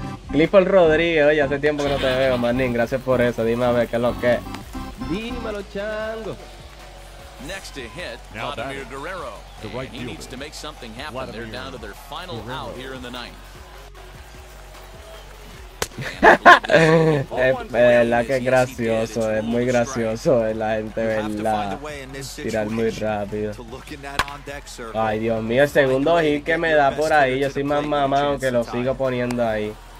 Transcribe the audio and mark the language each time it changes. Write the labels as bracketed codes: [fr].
[es] Clifford Rodríguez, oye, hace tiempo que no te veo, manín. Gracias por eso. Dime a ver qué es lo que es. ¡Dímelo, chango! [en] Next to hit, Vladimir Guerrero. And he needs to make something happen. They're down to their final out here in the ninth. [es] Es verdad que es gracioso, es muy gracioso la gente, ¿verdad? Tirar muy rápido. Ay, Dios mío, el segundo hit que me da por ahí. Yo soy más mamado que lo sigo poniendo ahí.